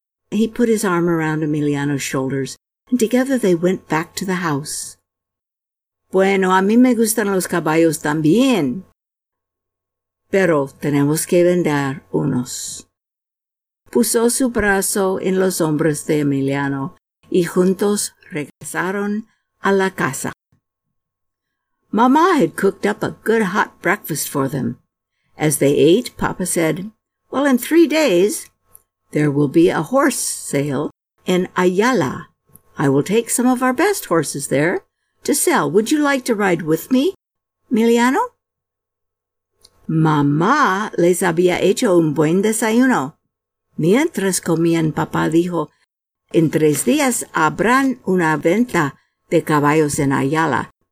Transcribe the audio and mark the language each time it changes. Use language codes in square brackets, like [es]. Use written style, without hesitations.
[en] He put his arm around Emiliano's shoulders, and together they went back to the house. [es] "Bueno, a mí me gustan los caballos también. Pero tenemos que vender unos." Puso su brazo en los hombros de Emiliano, y juntos regresaron a la casa. [en] Mama had cooked up a good hot breakfast for them. As they ate, Papa said, "Well, in 3 days, there will be a horse sale in Ayala. I will take some of our best horses there to sell. Would you like to ride with me, Emiliano?" [es] Mamá les había hecho un buen desayuno. Mientras comían, papá dijo, en 3 días habrán una venta de caballos en Ayala.